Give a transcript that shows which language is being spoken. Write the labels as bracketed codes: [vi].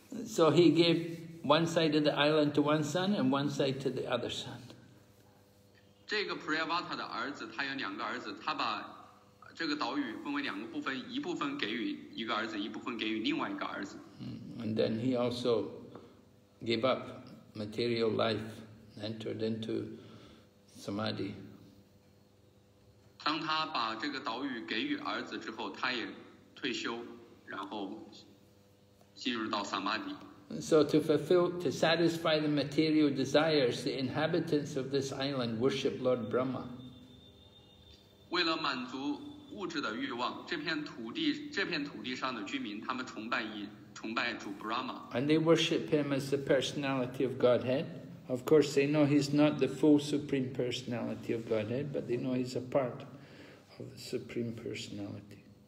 [en] So he gave one side of the island to one son and one side to the other son. [zh] 这个 Priyavrata 的儿子，他有两个儿子，他把这个岛屿分为两个部分，一部分给予一个儿子，一部分给予另外一个儿子。 [en] And then he also gave up. Material life entered into samadhi. [zh] 当他把这个岛屿给予儿子之后，他也退休，然后进入到萨玛底。 [en] So to fulfill, to satisfy the material desires, the inhabitants of this island worship Lord Brahma. [zh] 为了满足物质的欲望，这片土地上的居民，他们崇拜主 Brahma. [en] And they worship him as the personality of Godhead. Of course, they know he's not the full supreme personality of Godhead, but they know he's a part of the supreme personality.